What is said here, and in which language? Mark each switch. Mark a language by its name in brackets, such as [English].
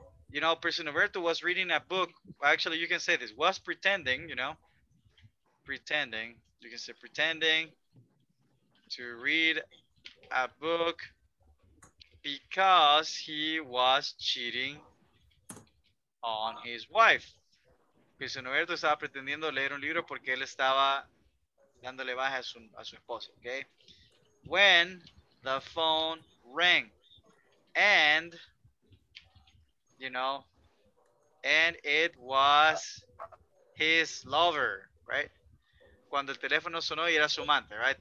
[English] You know, Pilsenoberto was reading a book. Actually, you can say this. Was pretending, you know? Pretending. You can say pretending to read a book because he was cheating on his wife. [Spanish] Pilsenoberto estaba pretendiendo leer un libro porque él estaba dándole baja a su esposa, okay? [English] When the phone rang and, you know, and it was his lover, right? [Spanish] Cuando el teléfono sonó y era su amante, right?